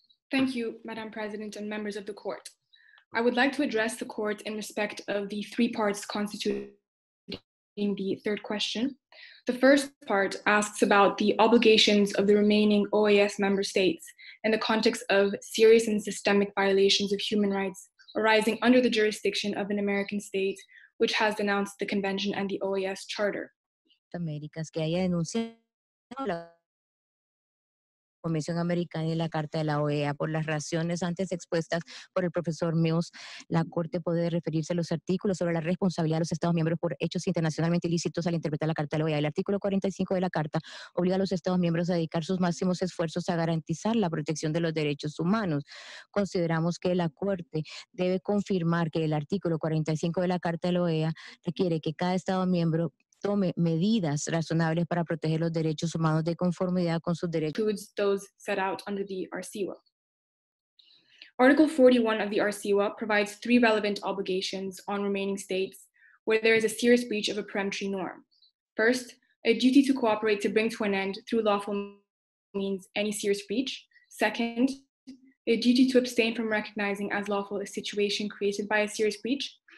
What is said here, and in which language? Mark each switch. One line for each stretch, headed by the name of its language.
English: Thank you, Madam President and members of the court. I would like to address the court in respect of the three parts constituting the third question. The first part asks about the obligations of the remaining OAS member states in the context of serious and systemic violations of human rights arising under the jurisdiction of an American state which has denounced the convention and the OAS charter.
Spanish: Américas que haya denunciado la Comisión Americana y la Carta de la OEA por las razones antes expuestas por el profesor Mills, la Corte puede referirse a los artículos sobre la responsabilidad de los Estados miembros por hechos internacionalmente ilícitos al interpretar la Carta de la OEA. El artículo 45 de la Carta obliga a los Estados miembros a dedicar sus máximos esfuerzos a garantizar la protección de los derechos humanos. Consideramos que la Corte debe confirmar que el artículo 45 de la Carta de la OEA requiere que cada Estado miembro tome medidas razonables para proteger los derechos humanos de conformidad con sus derechos.
English: Includes those set out under the RCWA. Article 41 of the RCWA provides three relevant obligations on remaining states where there is a serious breach of a peremptory norm. First, a duty to cooperate to bring to an end through lawful means any serious breach. Second, a duty to abstain from recognizing as lawful a situation created by a serious breach.